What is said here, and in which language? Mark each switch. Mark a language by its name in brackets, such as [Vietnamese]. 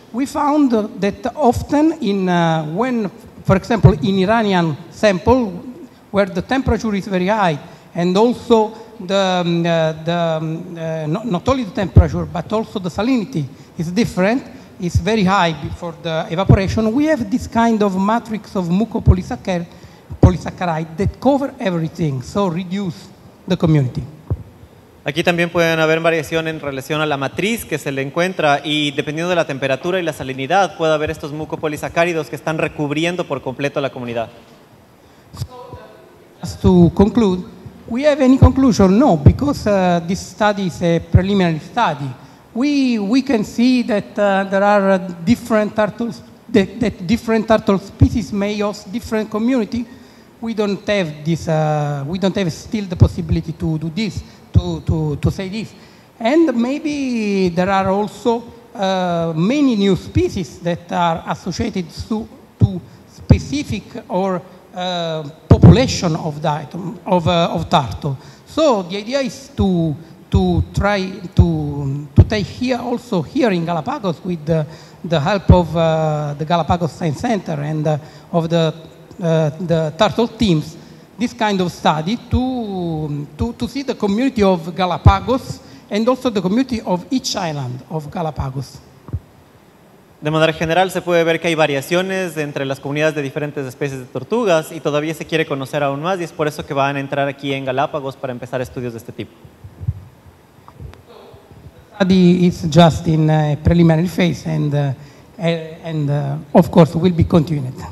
[English] We found that often in when, for example, in Iranian sample, where the temperature is very high, and also not only the temperature but also the salinity is different, is very high before the evaporation, we have this kind of matrix of mucopolysaccharide that cover everything, so reduce the community. [Spanish] Aquí también pueden haber variación en relación a la matriz que se le encuentra y dependiendo de la temperatura y la salinidad puede haber estos mucopolisacáridos que están recubriendo por completo la comunidad. [English] So, to conclude, We have any conclusion? No, because this study is a preliminary study. We can see that there are different turtles, that different turtle species may host different community. We don't have this. We don't have still the possibility to do this, to say this. And maybe there are also many new species that are associated to specific or population of diatom of turtle. So the idea is to try to take here also here in Galapagos with the help of the Galapagos Science Center and of the turtle teams this kind of study to see the community of Galapagos and also the community of each island of Galapagos. [Spanish] De manera general, se puede ver que hay variaciones entre las comunidades de diferentes especies de tortugas y todavía se quiere conocer aún más y es por eso que van a entrar aquí en Galápagos para empezar estudios de este tipo. [English] The study is just in a preliminary phase and of course will be continued.